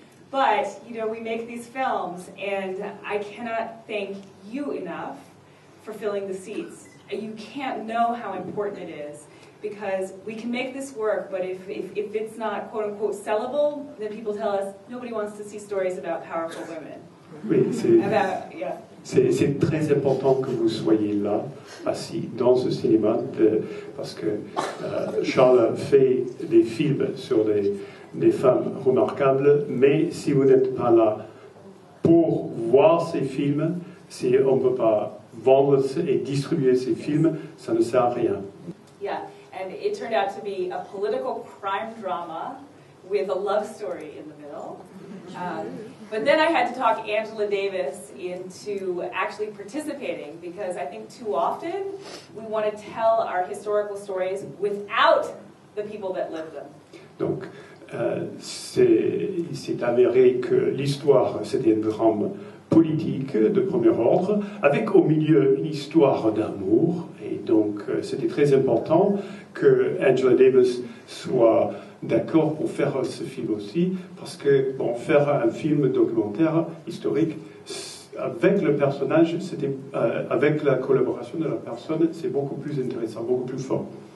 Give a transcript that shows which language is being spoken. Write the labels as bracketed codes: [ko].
[en] But, you know, we make these films, and I cannot thank you enough for filling the seats. You can't know how important it is, because we can make this work, but if it's not quote-unquote sellable, then people tell us nobody wants to see stories about powerful women. [fr] Oui, c'est très important que vous soyez là, assis dans ce cinéma, parce que Charles fait des films sur des femmes remarquables, mais si vous n'êtes pas là pour voir ces films, si on ne peut pas vendre et distribuer ces films, ça ne sert à rien. [en] Yeah, and it turned out to be a political crime drama with a love story in the middle. But then I had to talk Angela Davis into actually participating, because I think too often we want to tell our historical stories without the people that live them. [fr] Donc, c'est avéré que l'histoire, c'était un drame politique de premier ordre, avec au milieu une histoire d'amour. Et donc, c'était très important que Angela Davis soit d'accord pour faire ce film aussi, parce que bon, faire un film documentaire historique avec le personnage, c'était avec la collaboration de la personne, c'est beaucoup plus intéressant, beaucoup plus fort.